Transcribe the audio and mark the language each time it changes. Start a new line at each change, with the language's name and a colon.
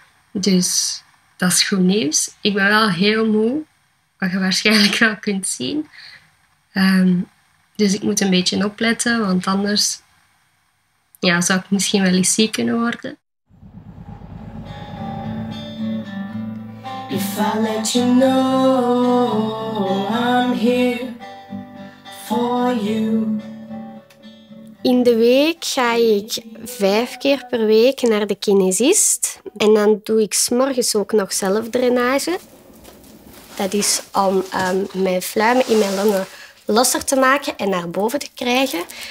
Dutch: Dus dat is goed nieuws. Ik ben wel heel moe, wat je waarschijnlijk wel kunt zien. Dus ik moet een beetje opletten, want anders ja, zou ik misschien wel eens ziek kunnen worden.
English: If I let you know I'm here for you.
Dutch: In de week ga ik 5 keer per week naar de kinesist. En dan doe ik 's morgens ook nog zelf drainage. Dat is om mijn fluimen in mijn longen losser te maken en naar boven te krijgen.